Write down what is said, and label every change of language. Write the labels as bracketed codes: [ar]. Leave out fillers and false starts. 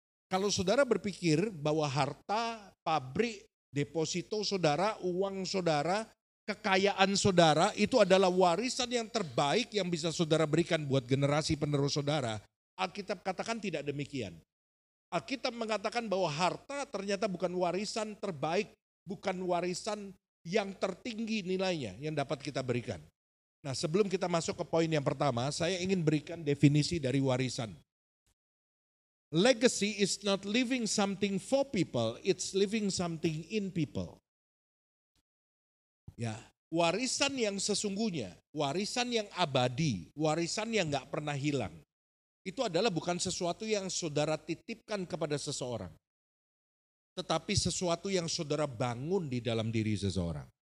[id] Kalau saudara berpikir bahwa harta, pabrik, deposito saudara, uang saudara, kekayaan saudara itu adalah warisan yang terbaik yang bisa saudara berikan buat generasi penerus saudara, Alkitab katakan tidak demikian. Alkitab mengatakan bahwa harta ternyata bukan warisan terbaik, bukan warisan yang tertinggi nilainya yang dapat kita berikan. Nah, sebelum kita masuk ke poin yang pertama, saya ingin berikan definisi dari warisan. [en] Legacy is not leaving something for people, it's leaving something in people. [id] Ya, warisan yang sesungguhnya, warisan yang abadi, warisan yang gak pernah hilang, itu adalah bukan sesuatu yang saudara titipkan kepada seseorang, tetapi sesuatu yang saudara bangun di dalam diri seseorang.